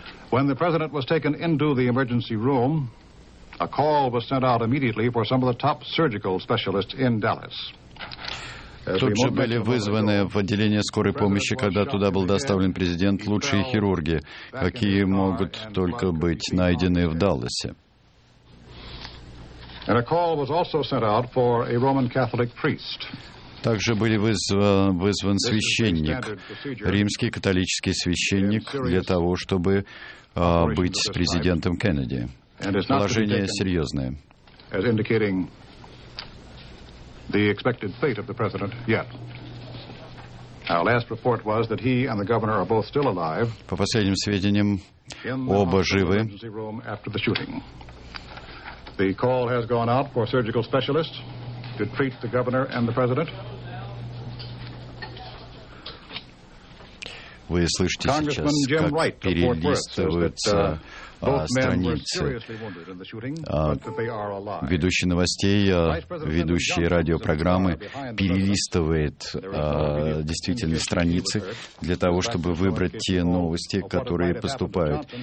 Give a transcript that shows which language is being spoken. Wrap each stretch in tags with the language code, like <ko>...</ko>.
<en>When the president was taken into the emergency room, a call was sent out immediately for some of the top surgical specialists in Dallas.</en> <ru>Тут же были вызваны в отделение скорой помощи, когда туда был доставлен президент, лучшие хирурги, какие могут только быть найдены в Далласе.</ru> <en>And a call was also sent out for a Roman Catholic priest.</en> <ru>Также был вызван священник, римский католический священник, для того, чтобы быть с президентом Кеннеди. Положение серьезное. По последним сведениям, оба живы.</ru> <en>The call has gone out for surgical specialists to treat the governor and the president.</en> <ru>Вы слышите сейчас, как перелистываются страницы. Ведущий новостей, ведущий радиопрограммы перелистывает действительно страницы для того, чтобы выбрать те новости, которые поступают.</ru>